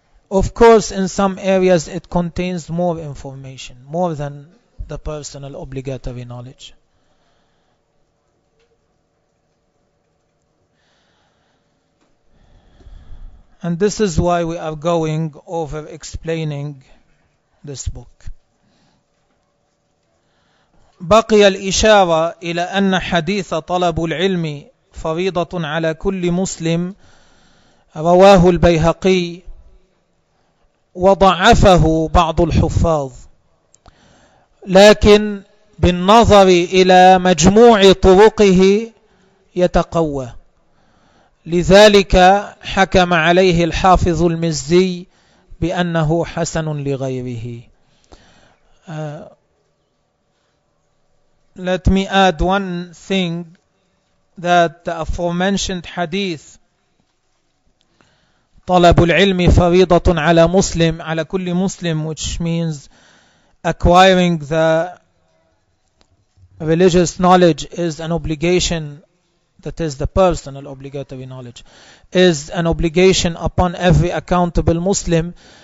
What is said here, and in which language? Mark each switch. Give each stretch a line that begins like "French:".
English: Of course, in some areas it contains more information, more than the personal obligatory knowledge. And this is why we are going over explaining this book.
Arabic: بقي الإشارة إلى أن حديث طلب العلم فريضة على كل مسلم رواه البيهقي وضعفه بعض الحفاظ, لكن بالنظر إلى مجموع طرقه يتقوى. لذلك حكم عليه الحافظ المزي بأنه حسن لغيره.
English: Let me add one thing, that the aforementioned hadith,
Arabic: طلب العلم فريضة على مسلم, على كل مسلم,
English: which means acquiring the religious knowledge is an obligation, that is the personal obligatory knowledge, is an obligation upon every accountable Muslim.